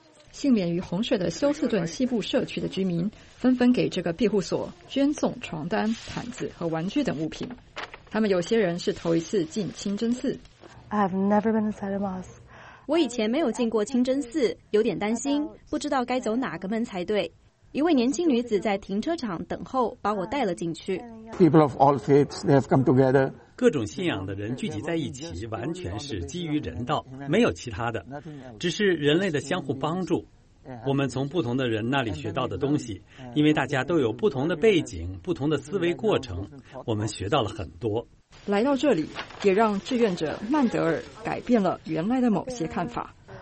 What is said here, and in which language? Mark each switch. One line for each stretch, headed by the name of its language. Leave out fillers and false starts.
Chinese: 幸免于洪水的休斯顿西部社区的居民纷纷给这个庇护所捐送床单、毯子和玩具等物品。他们有些人是头一次进清真寺。
English: I've never been inside a mosque.
Chinese: 我以前没有进过清真寺，有点担心，不知道该走哪个门才对。一位年轻女子在停车场等候，把我带了进去。
English: People of all faiths, they have come together.
Chinese: 各种信仰的人聚集在一起，完全是基于人道，没有其他的，只是人类的相互帮助。我们从不同的人那里学到的东西，因为大家都有不同的背景，不同的思维过程，我们学到了很多。来到这里也让志愿者曼德尔改变了原来的某些看法。